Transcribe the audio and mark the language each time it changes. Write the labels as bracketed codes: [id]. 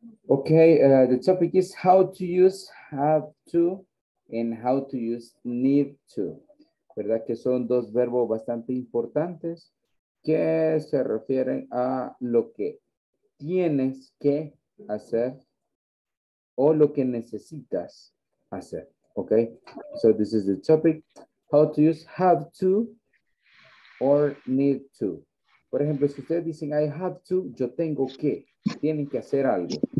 [en] Okay, the topic is how to use have to and how to use need to. [es] ¿Verdad que son dos verbos bastante importantes que se refieren a lo que tienes que hacer o lo que necesitas hacer? [en] Okay, so this is the topic, how to use have to or need to. [es] Por ejemplo, si ustedes dicen [en] I have to, [es] yo tengo que, tienen que hacer algo.